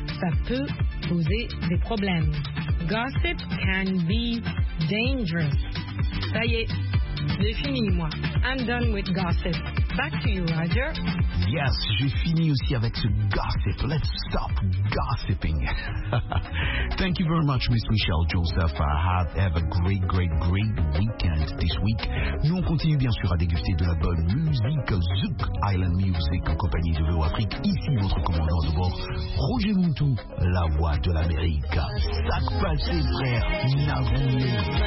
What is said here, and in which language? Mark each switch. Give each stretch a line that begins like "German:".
French: Ça peut poser des problèmes.
English: Gossip can be dangerous.
French: Ça y est, j'ai fini, moi.
English: I'm done with gossip. Back to you, Roger.
French: Yes, j'ai fini aussi avec ce gossip.
English: Let's stop gossiping. Thank you very much, Miss Michelle Joseph. Have a great, great, great weekend this week.
French: Nous, on continue bien sûr à déguster de la bonne musique, Zouk Island Music, en compagnie de VO Afrique. Ici, votre commandant de bord, Roger Moutou, la voix de l'Amérique. Sac passé, frère, navoué.